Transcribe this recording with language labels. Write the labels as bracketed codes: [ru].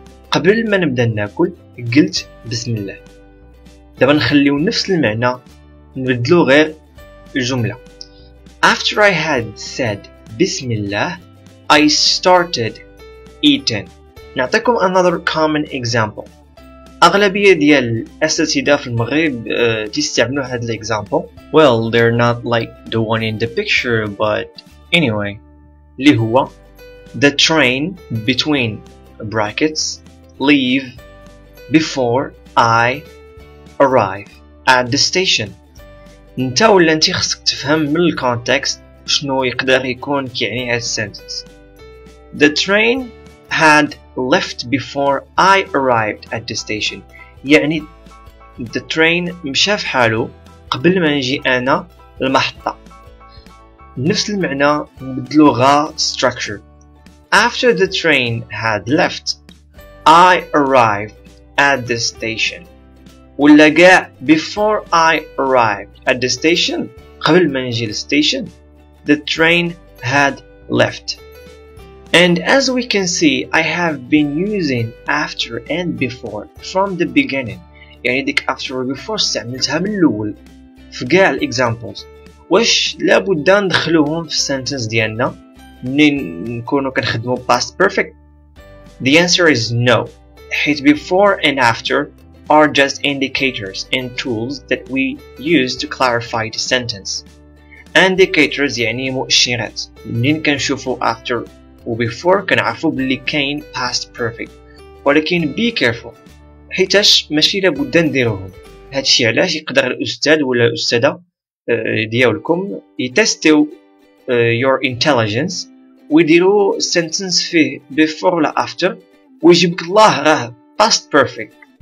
[ar] قبل ما نبدا ناكل قلت بسم الله. دابا نخليو نفس المعنى نبدلو غير الجملة. [en] After I had said بسم الله I started eating. [ar] نعطيكم [en] another common example. [ar] أغلبية ديال الأساتذة في المغرب تستعملوا هاد الإكزامبل. [en] Well they're not like the one in the picture but anyway. [ar] اللي هو [en] the train between brackets leave before I arrive at the station. [ar] انت ولا انت خصك تفهم من الكونتكست شنو يقدر يكون كيعني هاد السنتنس. [en] The train had left before I arrived at the station. [ar] يعني the train مشى فحالو قبل ما نجي انا المحطة. نفس المعنى نبدلو غا structure. [en] After the train had left I arrived at the station. [ar] ولا كاع [en] before I arrived at the station [ar] قبل ما نجي للستيشن. [en] The train had left. And as we can see, I have been using after and before from the beginning. [ar] يعني ديك [en] after and before [ar] استعملتها من الأول في قال examples. واش لابد ندخلوهم في sentence ديالنا منين نكونو كنخدمو past perfect؟ [en] The answer is no. Hit before and after are just indicators and tools that we use to clarify the sentence. [ar] Indicators يعني مؤشرات. منين كنشوفو after و before كنعرفو بلي كاين past perfect. ولكن be careful. حيتاش ماشي لابد نديروهم. هادشي علاش يقدر الأستاذ ولا الأستاذة ديالكم يتستيو [en] your intelligence [ar] ويديرو sentence فيه before ولا after ويجيبك الله راه past perfect.